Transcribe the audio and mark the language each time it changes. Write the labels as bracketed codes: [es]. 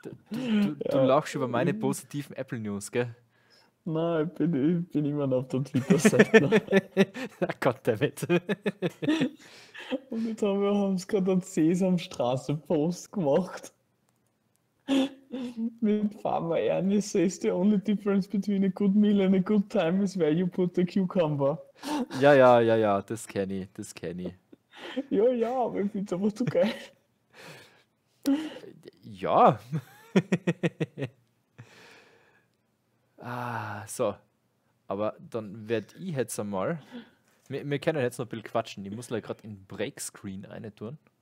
[de] Du ja, lachst über meine positiven Apple-News, gell? Nein, ich bin immer noch auf der Twitter-Seite. [en] Goddammit. [de] Und jetzt haben wir gerade einen Sesamstraße-Post gemacht. [en] Mit Pharma Ernie says the only difference between a good meal and a good time is where you put the cucumber. [de] Ja, das kenne ich. Ja, aber ich finde es einfach zu geil. Ja. So. Aber dann werde ich jetzt einmal. Wir können jetzt noch ein bisschen quatschen. Ich muss gerade in Break Screen eine tun.